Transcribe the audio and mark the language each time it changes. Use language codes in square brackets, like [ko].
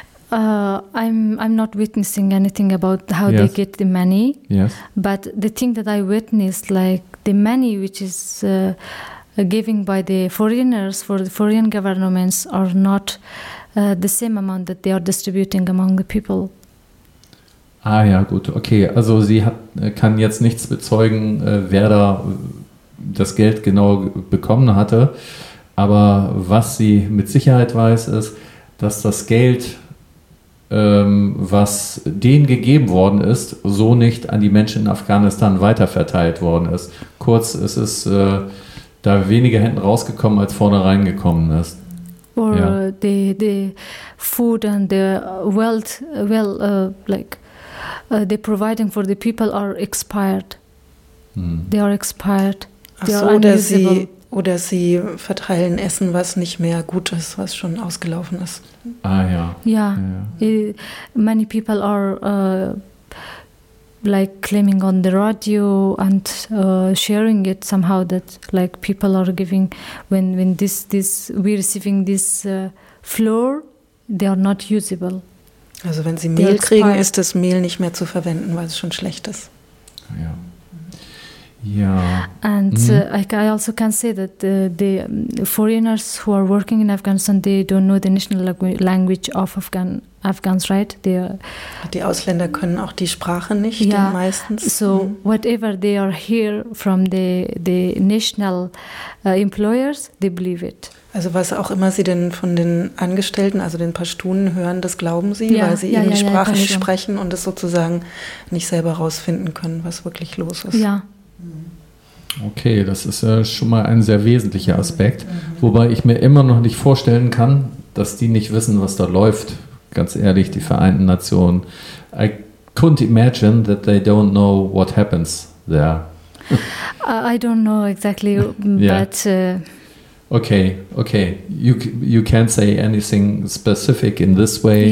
[en] I'm not witnessing anything about how they get the money. Yes. But the thing that I witnessed, like the money which is giving by the foreigners for the foreign governments are not the same amount that they are distributing among the people. [de] Ah ja, gut, okay. Also sie hat, kann jetzt nichts bezeugen, wer da das Geld genau bekommen hatte. Aber was sie mit Sicherheit weiß, ist, dass das Geld, was denen gegeben worden ist, so nicht an die Menschen in Afghanistan weiterverteilt worden ist. Kurz, es ist da weniger hinten rausgekommen, als vorne reingekommen ist. [en] Or the food and the wealth, well, like the providing for the people are expired. They are expired. They are unusable. [de] Oder sie verteilen Essen, was nicht mehr gut ist, was schon ausgelaufen ist. Ah ja. [en] Yeah. Yeah. Many people are like claiming on the radio and sharing it somehow that like people are giving when this we receiving this flour, they are not usable. [de] Also wenn sie Mehl kriegen, ist das Mehl nicht mehr zu verwenden, weil es schon schlecht ist. Ja. Ja. [en] And I also can say that the foreigners who are working in Afghanistan, they don't know the national language of Afghans, right? [de] Die Ausländer können auch die Sprache nicht, meistens. [en] So whatever they are here from the national employers, they believe it. [de] Also was auch immer sie denn von den Angestellten, also den Pashtunen hören, das glauben sie, weil sie ihre Sprache nicht sprechen und es sozusagen nicht selber rausfinden können, was wirklich los ist. Ja. Okay, das ist schon mal ein sehr wesentlicher Aspekt, wobei ich mir immer noch nicht vorstellen kann, dass die nicht wissen, was da läuft. Ganz ehrlich, die Vereinten Nationen. [en] I couldn't imagine that they don't know what happens there. I don't know exactly, but... Okay. You can't say anything specific in this way.